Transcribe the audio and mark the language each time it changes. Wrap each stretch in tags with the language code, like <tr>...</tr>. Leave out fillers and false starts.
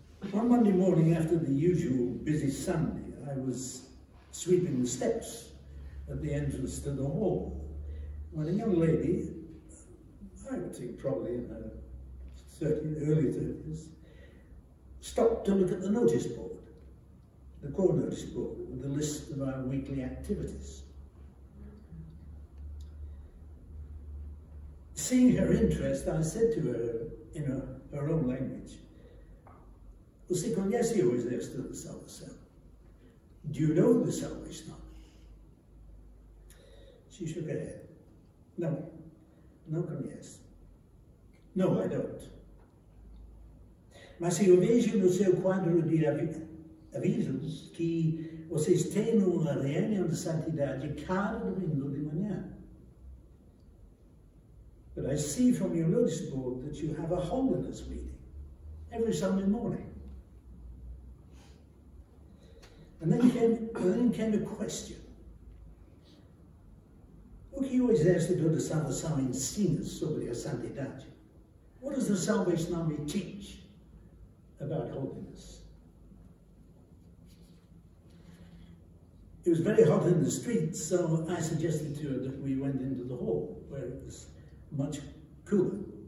<en>One Monday morning after the usual busy Sunday, I was sweeping the steps at the entrance to the hall when a young lady, I would think probably in her 30s, early 30s, stopped to look at the notice board, the core notice board, with the list of our weekly activities. Seeing her interest, I said to her in her own language,</en> <pt>"Você conhece o exército do Salvação?</pt> <en>Do you know the Salvation Army?" She shook her head. "No,</en> <pt>no conhece.</pt> <en>No, I don't.</en> <pt>Mas se eu vejo no seu quadro de avisos que vocês têm uma reunião de santidade cada domingo de manhã.</pt> <en>But I see from your notice board that you have a holiness meeting every Sunday morning." And then came a question.</en> <pt>O que o exército de salvação ensina sobre a santidade?</pt> <en>What does the Salvation Army teach about holiness? It was very hot in the streets, so I suggested to her that we went into the hall, where it was much cooler.</en>